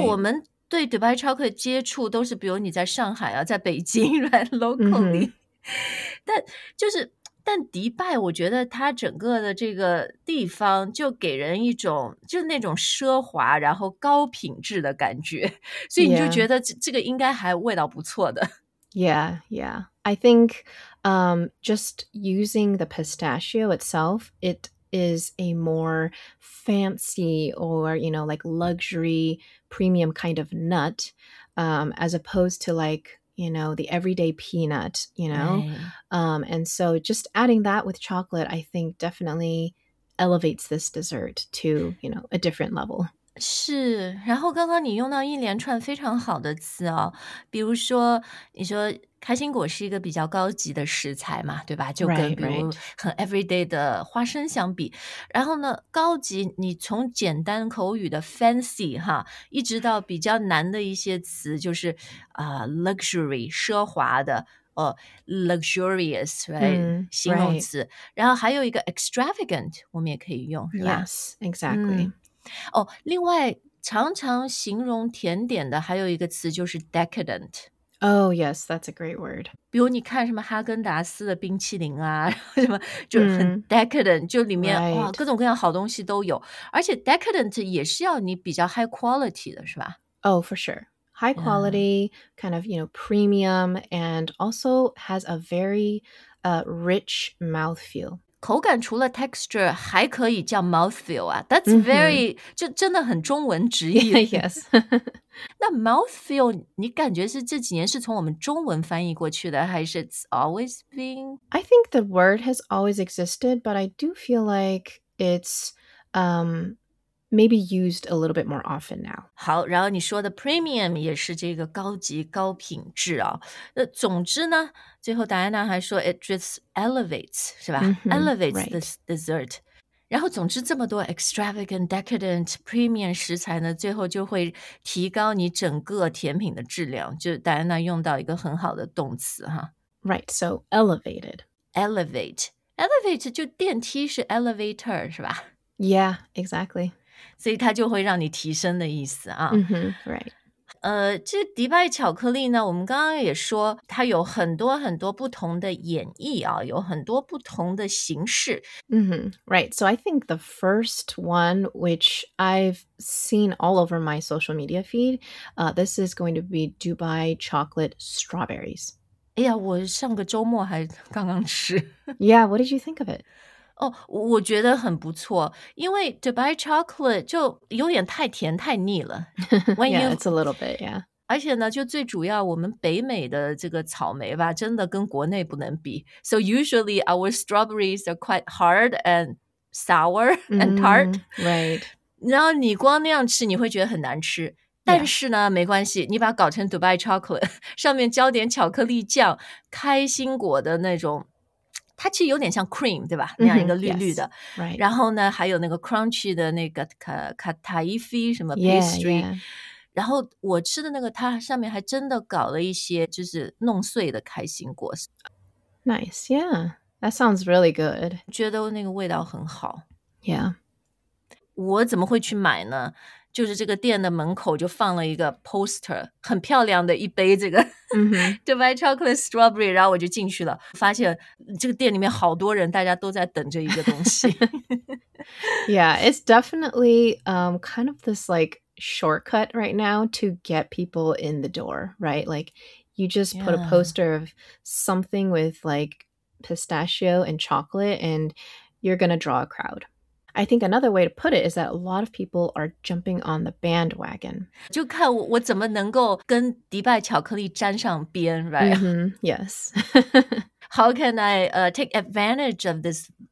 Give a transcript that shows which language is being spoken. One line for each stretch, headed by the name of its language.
Chinese: 为我们对 Dubai Chocolate 接触都是比如你在上海啊在北京
English: right, locally。
Chinese: 但就是但迪拜我觉得它整个的这个地方就给人一种就是那种奢华然后高品质的感觉。所以你就觉得这个应该还味道不错的。
English: Yeah, yeah. I think, just using the pistachio itself, it is a more fancy or, you know, like luxury premium kind of nut, as opposed to like,you know, the everyday peanut, you know? Right. And so just adding that with chocolate, I think definitely elevates this dessert to, you know, a different level.
Chinese: 是，然后刚刚你用到一连串非常好的词哦，比如说你说开心果是一个比较高级的食材嘛，对吧？就跟比如很 everyday 的花生相比。然后呢，高级你从简单口语的 fancy 哈，一直到比较难的一些词，就是luxury 奢华的哦 luxurious right、形容词。然后还有一个 extravagant， 我们也可以用，是吧
English: ？Yes, exactly.
Chinese: 哦，另外常常形容甜点的还有一个词就是 decadent。
English: Oh yes, that's a great word.
Chinese: 比如你看什么哈根达斯的冰淇淋啊，什么就很 decadent，就里面哇、各种各样好东西都有，而且 decadent 也是要你比较 high quality 的是吧
English: ？Oh, for sure, high quality,kind of you know premium, and also has a very rich mouthfeel.
Chinese: 口感除了 texture 还可以叫 mouthfeel 啊
English: that's very、
Chinese: 就真的很中文直译
English: yes
Chinese: 那 mouthfeel 你感觉是这几年是从我们中文翻译过去的还是
English: it's always been I think the word has always existed but I do feel like it's maybe used a little bit more often now
Chinese: 好然后你说的 premium 也是这个高级高品质啊、那总之呢最后，戴安娜还说 ，
English: it just elevates，
Chinese: 是吧、？elevates、
English: right. the dessert。
Chinese: 然后，总之这么多 extravagant、decadent、premium 食材呢，最后就会提高你整个甜品的质量。就戴安娜用到一个很好的动词哈
English: ，right， so elevated，
Chinese: elevate， elevate 就电梯是 elevator 是吧
English: ？Yeah， exactly。
Chinese: 所以它就会让你提升的意思啊、
English: ，right。
Chinese: 这迪拜巧克力呢我们刚刚也说它有很多很多不同的演绎啊有很多不同的形式。
English: Right, so I think the first one, which I've seen all over my social media feed, this is going to be Dubai chocolate strawberries.
Chinese: 哎呀我上个周末还刚刚吃。
English: Yeah, what did you think of it?
Chinese: 哦、我觉得很不错因为 Dubai Chocolate 就有点太甜太腻了。
English: yeah, it's a little bit, yeah.
Chinese: 而且呢就最主要我们北美的这个草莓吧真的跟国内不能比。
English: So usually our strawberries are quite hard and sour and tart.、 Right.
Chinese: 然后你光那样吃你会觉得很难吃。但是呢、没关系你把搞成 Dubai Chocolate, 上面浇点巧克力酱开心果的那种。它其实有点像 cream, 对吧那样一个绿绿的。
English: Yes, right.
Chinese: 然后呢还有那个 crunchy 的那个 kataifi, 什么 pastry.
English: Yeah, yeah.
Chinese: 然后我吃的那个它上面还真的搞了一些就是弄碎的开心果。
English: Nice, yeah. That sounds really good.
Chinese: 觉得那个味道很好。
English: Yeah.
Chinese: 我怎么会去买呢就是这个店的门口就放了一个 poster, 很漂亮的一杯这个、Dubai Chocolate Strawberry, 然后我就进去了发现这个店里面好多人大家都在等着一个东西。
English: yeah, it's definitely、kind of this like shortcut right now to get people in the door, right? Like you just put、a poster of something with like pistachio and chocolate and you're gonna draw a crowd. I think another way to put it is that a lot of people are jumping on the bandwagon.
Chinese: 就看我怎么能够跟迪拜巧克力沾上边
English: right? Yes. How can I take advantage of this